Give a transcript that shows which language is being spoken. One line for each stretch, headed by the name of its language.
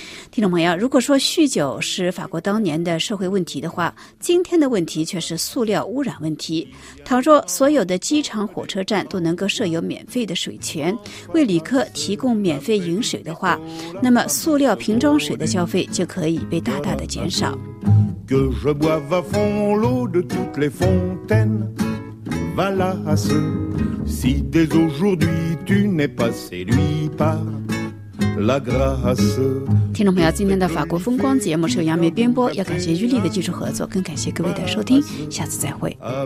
Chinese: 听众朋友，如果说酗酒是法国当年的社会问题的话，今天的问题却是塑料污染问题。倘若所有的机场火车站都能够设有免费的水泉，为旅客提供免费饮水的话，那么塑料瓶装水的消费就可以被大大的减少。
French: Que je boive à fond l'eau de toutes les fontaines, voilà à ce, si dès aujourd'hui tu n'es pas séduit par La grâce.
Chinese: 听众朋友，今天的法国风光节目是由杨梅编播，要感谢玉丽的技术合作，更感谢各位的收听，下次再会。